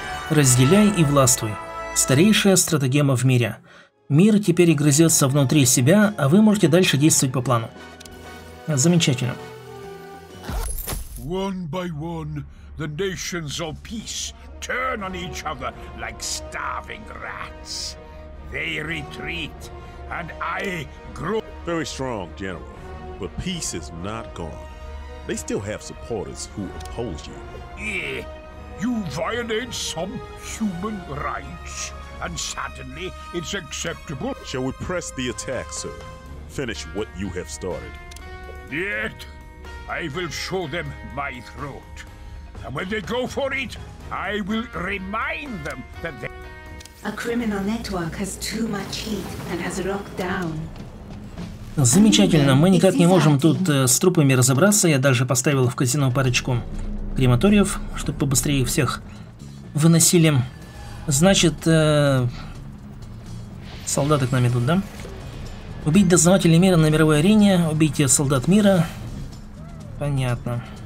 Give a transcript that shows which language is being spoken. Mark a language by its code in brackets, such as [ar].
[ru] Разделяй и властвуй. Старейшая стратегема в мире. Мир теперь грызется внутри себя, а вы можете дальше действовать по плану. Замечательно. [en] One by one, the nations of peace turn on each other like starving rats. They retreat, and I grow. Very strong, General. But peace is not gone. They still have supporters who oppose you. Yeah, you violate some human rights, and suddenly it's acceptable. Shall we press the attack, sir? Finish what you have started. Yet. I will show them my throat. And when they go for it, I will remind them that they... A criminal network has too much heat and has locked down. [ru] Замечательно, мы никак не можем тут с трупами разобраться. Я даже поставил в казино парочку крематориев, чтобы побыстрее всех выносили. Значит, солдаты к нам идут, да? Убить дознавателей мира на мировой арене, убить солдат мира... Понятно.